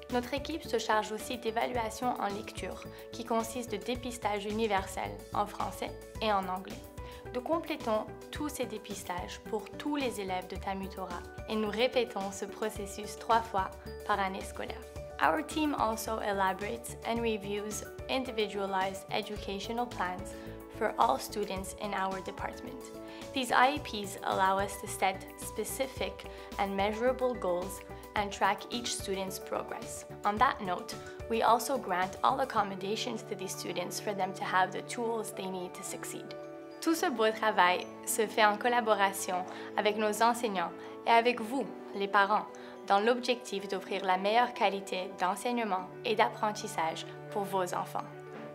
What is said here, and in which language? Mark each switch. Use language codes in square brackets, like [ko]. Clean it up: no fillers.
[fr] Notre équipe se charge aussi d'évaluation en lecture, qui consiste de dépistage universel en français et en anglais. Nous complétons tous ces dépistages pour tous les élèves de Tamutora et nous répétons ce processus 3 fois par année scolaire. [en] Our team also elaborates and reviews individualized educational plans for all students in our department. These IEPs allow us to set specific and measurable goals and track each student's progress. On that note, we also grant all accommodations to these students for them to have the tools they need to succeed. [fr] Tout ce beau travail se fait en collaboration avec nos enseignants et avec vous, les parents, dans l'objectif d'offrir la meilleure qualité d'enseignement et d'apprentissage pour vos enfants.